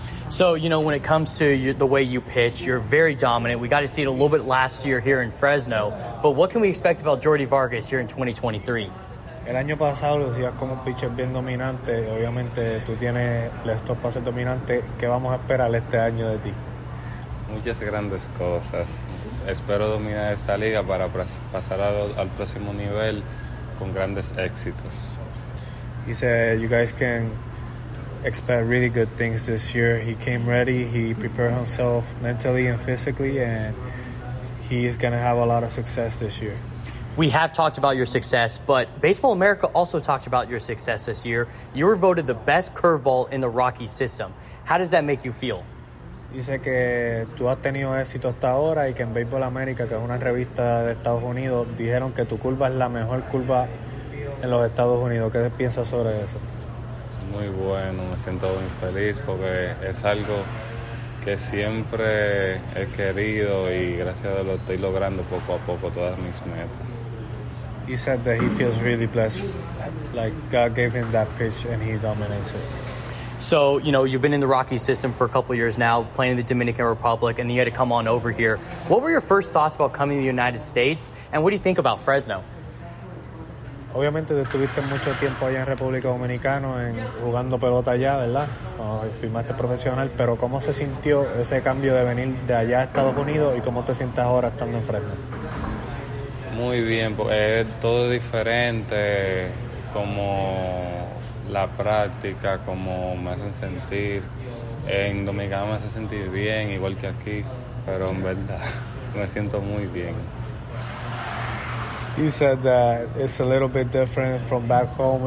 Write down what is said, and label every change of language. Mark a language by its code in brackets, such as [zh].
[en] So, you know, when it comes to the way you pitch, you're very dominant. We got to see it a little bit last year here in Fresno. But what can we expect about Jordy Vargas here in 2023? [es] El año pasado lo decías como un pitcher bien dominante. Obviamente, tú tienes estos pases dominantes. ¿Qué vamos a esperar este año de ti? Muchas grandes cosas. Espero dominar esta liga para pasar al próximo nivel con grandes éxitos. [en] He said, you guys can expect really good things this year. He came ready, he prepared himself mentally and physically, and he is going to have a lot of success this year. We have talked about your success, but Baseball America also talked about your success this year. You were voted the best curveball in the Rocky system. How does that make you feel? [es] Dice que tú has tenido éxito hasta ahora y que en Baseball America, que es una revista de Estados Unidos, dijeron que tu curva es la mejor curva en los Estados Unidos. ¿Qué piensas sobre eso? Muy bueno, me siento muy feliz porque es algo que siempre he querido y gracias a Dios lo estoy logrando poco a poco todas mis metas. [en] He said that he feels really blessed, like God gave him that pitch and he dominates it. So, you know, you've been in the Rocky system for a couple of years now, playing in the Dominican Republic, and then you had to come on over here. What were your first thoughts about coming to the United States, and what do you think about Fresno? [es] Obviamente, estuviste mucho tiempo allá en República Dominicana, jugando pelota allá, ¿verdad? Cuando firmaste profesional, pero ¿cómo se sintió ese cambio de venir de allá a Estados Unidos y cómo te sientes ahora estando en Fresno? Muy bien, es todo diferente, como la práctica, como me hacen sentir. En Dominicana me hace sentir bien, igual que aquí, pero en verdad me siento muy bien. [en] He said that it's a little bit different from back home.